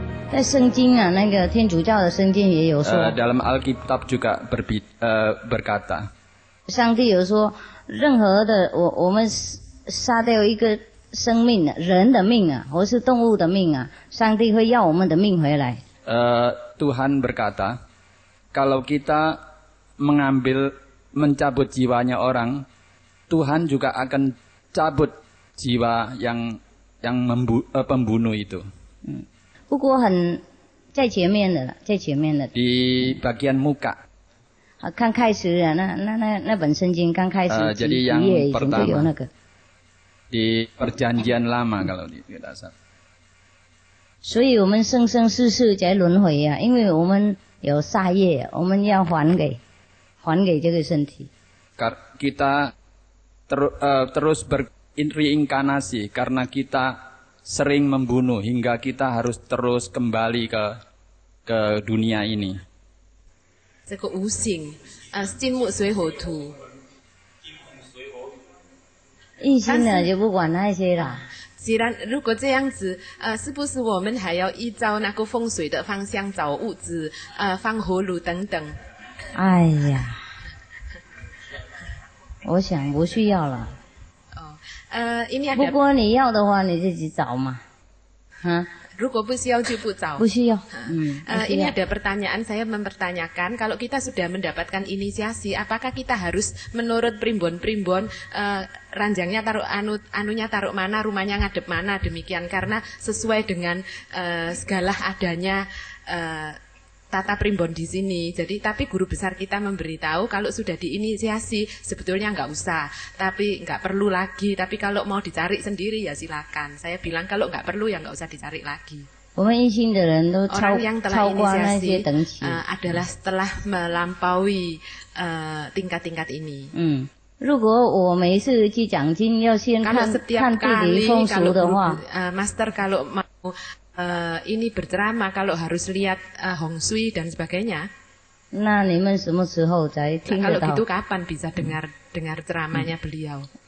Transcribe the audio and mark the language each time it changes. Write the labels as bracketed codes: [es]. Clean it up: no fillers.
[zh] 在圣经啊，那个天主教的圣经也有说。 [id] Dalam Alkitab juga berkata. [zh] 上帝有说，任何的我们杀掉一个生命的人的命啊，或是动物的命啊，上帝会要我们的命回来。 [id] Tuhan berkata, kalau kita mengambil mencabut jiwanya orang, Tuhan juga akan cabut jiwa yang pembunuh itu. [zh] 不过很在前面的了，在前面的。 [id] Di bagian muka. [zh] 刚开始啊，那本圣经刚开始几页已经都有那个。 [id] Di perjanjian lama kalau tidak salah. [zh] 所以我们生生世世在轮回啊，因为我们有杀业，我们要还给这个身体。 [id] Kita terus berinkarnasi karena kita sering membunuh hingga kita harus terus kembali ke dunia ini. [zh] 这个无形啊，金木水火土。一心的就不管那些啦。既然如果这样子，是不是我们还要依照那个风水的方向找物资，放葫芦等等？哎呀，我想不需要了。哦，因为不过你要的话，你自己找嘛。哈，如果不需要就不找。不需要。嗯。 [id] Ini ada pertanyaan saya mempertanyakan, kalau kita sudah mendapatkan inisiasi, apakah kita harus menurut primbon-primbon, ranjangnya taruh anunya taruh mana, rumahnya ngadep mana, demikian karena sesuai dengan segala adanya tata primbon di sini. Jadi tapi guru besar kita memberitahu kalau sudah diinisiasi sebetulnya enggak usah, tapi enggak perlu lagi. Tapi kalau mau dicari sendiri ya silakan. Saya bilang kalau enggak perlu ya enggak usah dicari lagi. [zh] 我们一心的人都超 [id] yang telah inisiasi, [zh] 超过那些等级、 [id] adalah setelah melampaui tingkat-tingkat ini. [zh] 如果我每次去讲经要先看地理风俗的话， [id] Master kalau mauini berceramah kalau harus lihat hongshui dan sebagainya. [zh] Nah, 你们什么时候才听得到？ [id] Kalau gitu kapan bisa dengar ceramahnya beliau?